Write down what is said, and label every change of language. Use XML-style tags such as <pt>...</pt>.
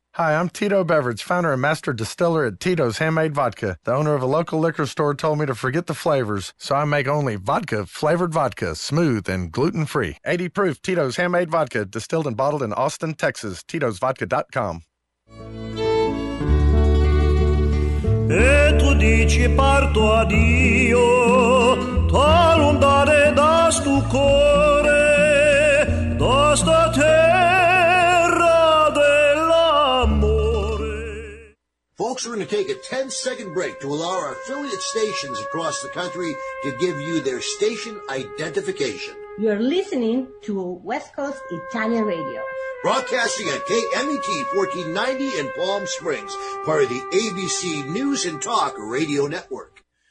<en>Hi, I'm Tito Beveridge, founder and master distiller at Tito's Handmade Vodka. The owner of a local liquor store told me to forget the flavors, so I make only vodka-flavored vodka, smooth and gluten-free. 80-proof Tito's Handmade Vodka, distilled and bottled in Austin, Texas. Tito'sVodka.com.</en> <nap>E tu dici parto addio, t'allontanare da stu cuore, da sta terra dell'amore.</nap> <en>Folks, we're going to take a 10-second break to allow our affiliate stations across the country to give you their station identification. You're listening to West Coast Italian Radio. Broadcasting at KMET 1490 in Palm Springs, part of the ABC News and Talk Radio Network.</en>